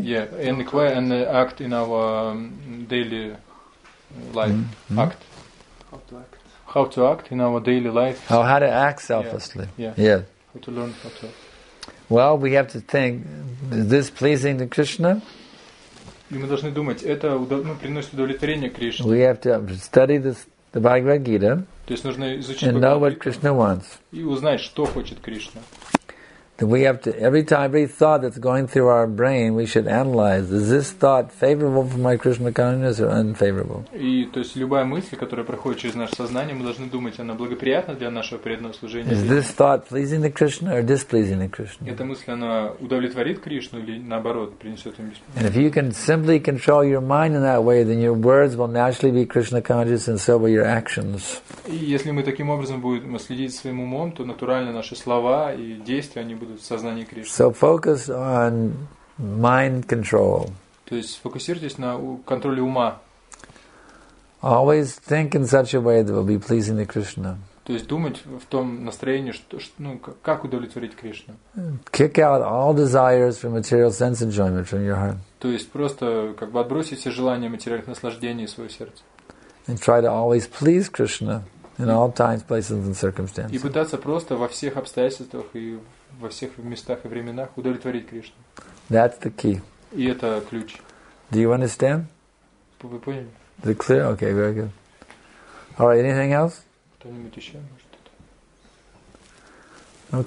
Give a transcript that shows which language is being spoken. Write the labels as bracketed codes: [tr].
[en] Yeah, inquire and act in our daily life. Mm-hmm. Act. How to act. How to act in our daily life. How to act selflessly. Yeah. How to learn how to act. Well, we have to think, is this pleasing to Krishna? [ru] И мы должны думать, это приносит удовлетворение Кришне. [en] We have to study this. The Bhagavad Gita. [ru] То есть нужно изучить. [en] And know what Krishna wants. [ru] И узнать, что хочет Кришна. [en] That we have to every time every thought that's going through our brain, we should analyze: is this thought favorable for my Krishna consciousness or unfavorable? [ru] И то есть любая мысль, которая проходит через наше сознание, мы должны думать, она благоприятна для нашего преданного служения. [en] Is this thought pleasing to Krishna or displeasing to Krishna? [ru] Эта мысль она удовлетворит Кришну или наоборот принесет ему беспокойство? [en] And if you can simply control your mind in that way, then your words will naturally be Krishna conscious, and so will your actions. [ru] И если мы таким образом будем следить своим умом, то натурально наши слова и действия они [en] So focus on mind control. [ru] То есть фокусируйтесь на контроле ума. [en] Always think in such a way that will be pleasing to Krishna. [ru] То есть думать в том настроении, что ну как удовлетворить Кришну. [en] Kick out all desires for material sense enjoyment from your heart. [ru] То есть просто как бы отбросить все желания материальных наслаждений из своего сердца. [en] And try to always please Krishna in all times, places, and circumstances. [ru] И пытаться просто во всех обстоятельствах и во всех местах и временах удовлетворить Кришну. [en] That's the key. [ru] И это ключ. [en] Do you understand? [ru] Вы поняли? [en] Is it clear? Okay, very good. All right, anything else? [ru] Кто-нибудь еще может?